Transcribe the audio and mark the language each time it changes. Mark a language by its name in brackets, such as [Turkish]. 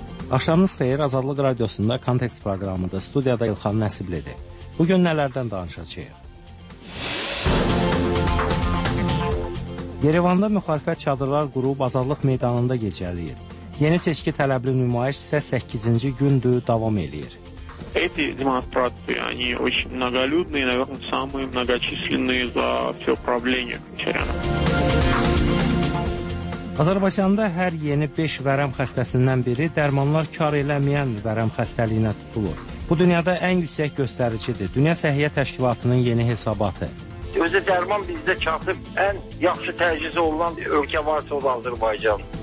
[Azerbaijani] Axşamınız xeyir, Azadlıq Radiosunda Kontekst proqramında studiyada İlxan Nəsiblidir. Bugün nələrdən danışacağıq? Yerevanda müxalifət çadırlar qurub Azadlıq meydanında gecələyir. Yeni seçki tələbli nümayiş isə 8-ci gündür davam edir. [Russian] Эти демонстрации, они очень многолюдные, наверное, самые многочисленные за все правление Кучаряна. [Azerbaijani] Azərbaycanda hər yeni 5 vərəm xəstəsindən biri dərmanlar kar eləməyən vərəm xəstəliyinə tutulur. Bu dünyada ən yüksək göstəricidir. Dünya Səhiyyə Təşkilatının yeni hesabatı. Özü dərman bizdə çatıb, ən yaxşı təchiz olunan ölkə varsa o da Azərbaycan.